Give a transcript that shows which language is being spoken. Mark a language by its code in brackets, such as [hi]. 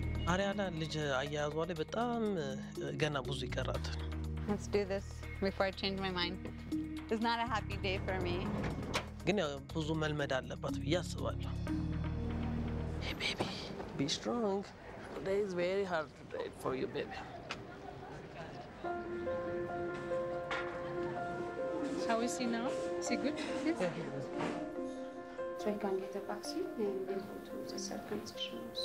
[am] አሪያና ልጅ አያዝዋለ በጣም ገና ብዙ ይቀራል [en] Let's do this before I change my mind. It's not a happy day for me. [am] ግን ብዙ መልመድ አለበት ያስባለሁ [en] Hey baby, be strong. Today is very hard day for you baby. How is he now? Is he good? Yes. Yeah, he is. So you can get a vaccine and then go to the circumcision.